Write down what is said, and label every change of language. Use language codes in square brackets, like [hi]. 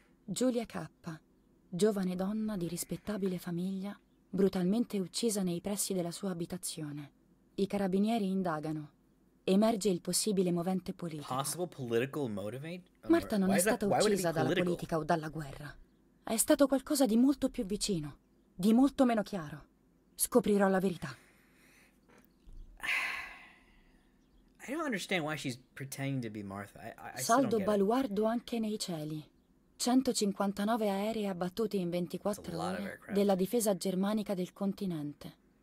[it] Giulia K, giovane donna di rispettabile famiglia, brutalmente uccisa nei pressi della sua abitazione. I carabinieri indagano. Emerge il possibile movente politico. [en] Possible political motivate? [it] Marta non è stata uccisa dalla politica o dalla guerra. È stato qualcosa di molto più vicino, di molto meno chiaro. Scoprirò la verità. [en] I don't understand why she's pretending to be Martha. [it] Saldo baluardo anche nei cieli. 159 aerei abbattuti in 24 ore della difesa germanica del continente.